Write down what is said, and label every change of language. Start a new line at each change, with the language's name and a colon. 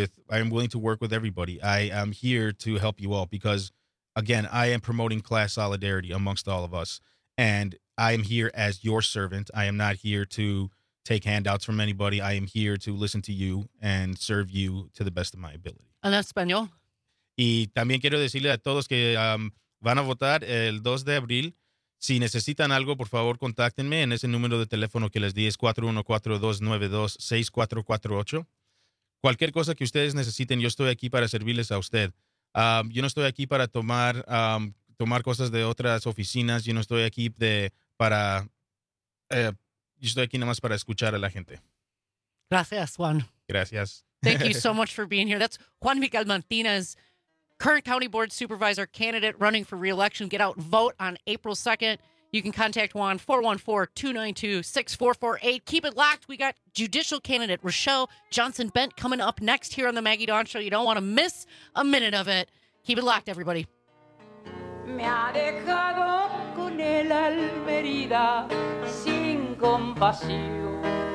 English: I am willing to work with everybody. I am here to help you all because, again, I am promoting class solidarity amongst all of us. And I am here as your servant. I am not here to take handouts from anybody. I am here to listen to you and serve you to the best of my ability.
Spanish: En español. Y también quiero decirle a todos que van a votar el 2 de abril. Si necesitan algo, por favor, contáctenme en ese número de teléfono que les di, es 414-292-6448. Cualquier cosa que ustedes necesiten, yo estoy aquí para servirles a usted. Yo no estoy aquí para tomar cosas de otras oficinas. Yo no estoy aquí yo estoy aquí nada más para escuchar a la gente. Gracias, Juan. Gracias.
English: Thank you so much for being here. That's Juan Miguel Martinez, current County Board Supervisor candidate running for re-election. Get out and vote on April 2nd. You can contact Juan, 414-292-6448. Keep it locked. We got judicial candidate Rochelle Johnson-Bent coming up next here on the Maggie Dawn Show. You don't want to miss a minute of it. Keep it locked, everybody.
Spanish: Me ha dejado con el alma herida sin compasión.